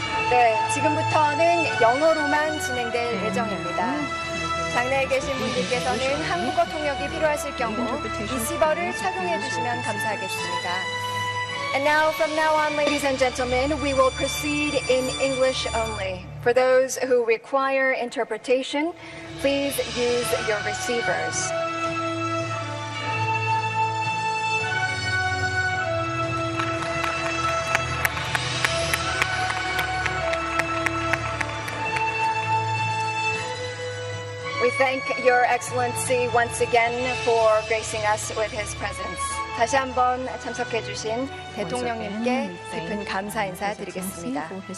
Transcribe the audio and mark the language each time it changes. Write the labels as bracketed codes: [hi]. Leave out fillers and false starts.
[ko] 네, 지금부터는 영어로만 진행될 예정입니다. 장내에 계신 분들께서는 한국어 통역이 필요하실 경우 리시버를 착용해 주시면 감사하겠습니다. [en] And now, from now on, ladies and gentlemen, we will proceed in English only. For those who require interpretation, please use your receivers. We thank Your Excellency once again for gracing us with His presence. [ko] 다시 한번 참석해 주신 대통령님께 깊은 감사 인사 드리겠습니다.